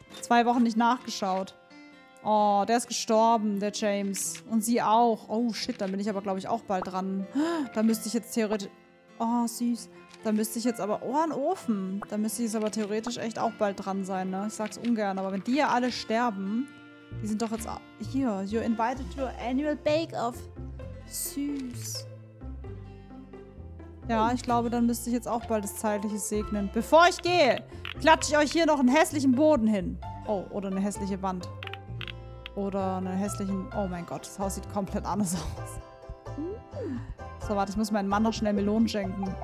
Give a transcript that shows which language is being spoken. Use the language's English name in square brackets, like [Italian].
[German] 2 Wochen nicht nachgeschaut. Oh, der ist gestorben, der James. Und sie auch. Oh, shit, dann bin ich aber, glaube ich, auch bald dran. Da müsste ich jetzt theoretisch... Oh, süß. Da müsste ich jetzt aber... Oh, ein Ofen. Da müsste ich jetzt aber theoretisch echt auch bald dran sein, ne? Ich sag's ungern, aber wenn die ja alle sterben... Die sind doch jetzt... Hier, [English] you're invited to your annual bake-off. [German] Süß. Ja, ich glaube, dann müsste ich jetzt auch bald das Zeitliche segnen. Bevor ich gehe, klatsche ich euch hier noch einen hässlichen Boden hin. Oh, oder eine hässliche Wand. Oder einen hässlichen... Oh mein Gott, das Haus sieht komplett anders aus. So, warte, ich muss meinen Mann noch schnell Melonen schenken.